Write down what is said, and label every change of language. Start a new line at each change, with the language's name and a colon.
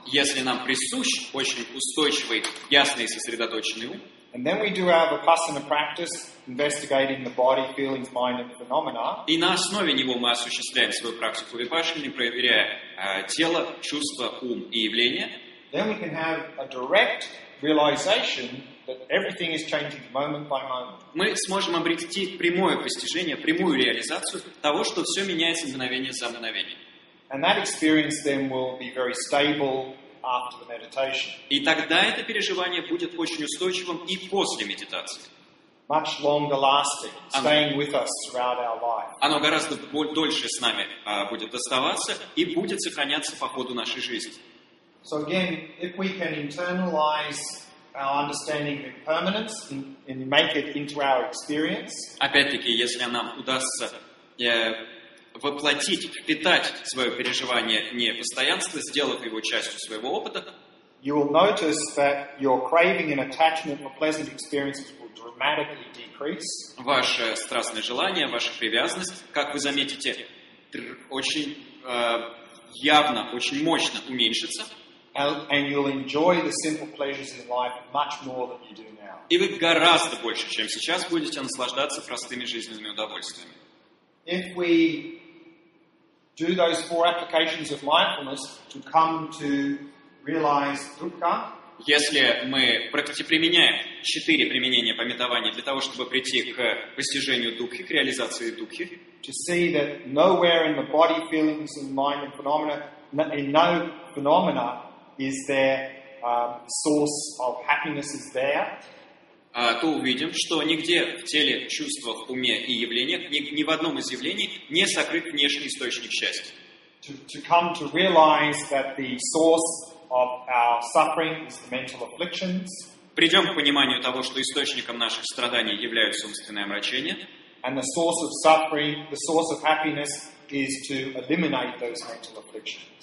Russian: если нам присущ очень устойчивый, ясный и сосредоточенный ум,
English: and then we do our vipassana practice, investigating the body, feelings, mind, and phenomena.
Russian: И на основе него мы осуществляем свою практику випассаны, проверяя тело, чувства, ум и явления.
English: Then we can have a direct realization that everything is changing moment by moment.
Russian: Мы сможем обрести прямое постижение, прямую реализацию того, что все меняется мгновение за мгновением.
English: And that experience then will be very stable after the meditation.
Russian: И тогда это переживание будет очень устойчивым и после медитации.
English: Much longer lasting, staying with us throughout our life.
Russian: Оно гораздо дольше с нами будет оставаться и будет сохраняться по ходу нашей жизни.
English: So again, if we can internalize our understanding of impermanence and make it into our experience.
Russian: Опять-таки, если нам удастся воплотить, впитать свое переживание непостоянства, сделав его частью своего опыта,
English: you will notice that your craving and attachment for pleasant experiences will dramatically decrease.
Russian: Ваше страстное желание, ваша привязанность, как вы заметите, очень явно, очень мощно уменьшится.
English: And you'll enjoy the simple pleasures in life much more than you do now.
Russian: И вы гораздо больше, чем сейчас, будете наслаждаться простыми жизненными удовольствиями.
English: If we do those four applications of mindfulness to come to realize dukkha.
Russian: Если мы применяем четыре применения памятования для того, чтобы прийти к постижению дукхи, к реализации дукхи.
English: To see that nowhere in the body, feelings, and mind and phenomena, in no phenomena. Is there source of happiness is there?
Russian: То увидим, что нигде в теле, чувствах, уме и явлениях, ни в одном из явлений не сокрыт внешний источник счастья.
English: To come to realize that the source of our suffering is the mental afflictions.
Russian: Придем к пониманию того, что источником наших страданий являются умственные омрачения.
English: And the source of suffering, the source of happiness is to eliminate those mental afflictions.